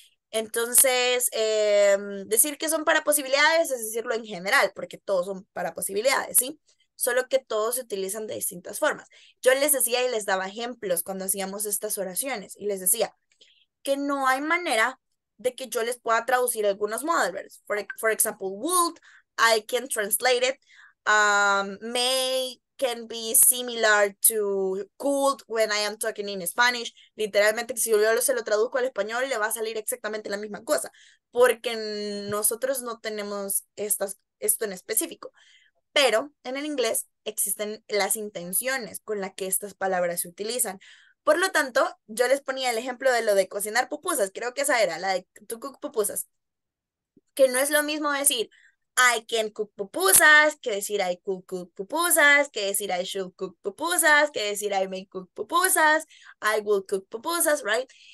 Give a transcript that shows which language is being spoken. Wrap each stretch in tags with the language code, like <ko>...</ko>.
<es>Entonces, decir que son para posibilidades es decirlo en general, porque todos son para posibilidades, ¿sí? Solo que todos se utilizan de distintas formas. Yo les decía y les daba ejemplos cuando hacíamos estas oraciones. Y les decía que no hay manera de que yo les pueda traducir algunos modal verbs.</es> <en>For example, would, I can translate it. May can be similar to could when I am talking in Spanish.</en> <es>Literalmente, si yo se lo traduzco al español, le va a salir exactamente la misma cosa. Porque nosotros no tenemos esto en específico. Pero en el inglés existen las intenciones con las que estas palabras se utilizan. Por lo tanto, yo les ponía el ejemplo de lo de cocinar pupusas, creo que esa era, la de</es> <en>to cook pupusas,</en> <es>que no es lo mismo decir</es> <en>I can cook pupusas,</en> <es>que decir</es> <en>I could cook pupusas,</en> <es>que decir</es> <en>I should cook pupusas,</en> <es>que decir</es> <en>I may cook pupusas, I will cook pupusas, right?</en>